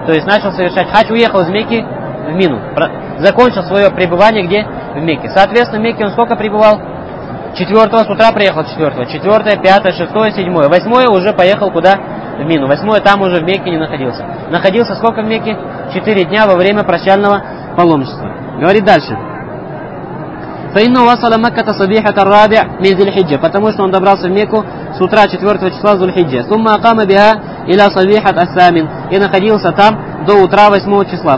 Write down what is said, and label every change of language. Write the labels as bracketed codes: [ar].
[ru] То есть начал совершать хадж, уехал из Мекки в Мину. Закончил свое пребывание где? В Мекке. Соответственно, в Мекке он сколько пребывал? 4 с утра приехал, 4. 4, 5, 6, 7, 8 уже поехал куда? в Мину. Восьмое там уже в Мекке не находился. Находился сколько в Мекке? 4 дня во время прощального паломничества. Говорит дальше. [ar] فَإِنَّ وَصَلَ مَكَّةَ صَبِيحَةَ الرَّابِعَ مِنْ ذِي الْحِجَّةِ [ru] Потому что он добрался в Мекку с утра 4 числа ذو الحجة. [ar] ثُمَّ أَقَامَ بِهَا إِلَى صَبِيحَةَ الثَّامِنِ [ru] И находился там до утра 8 числа.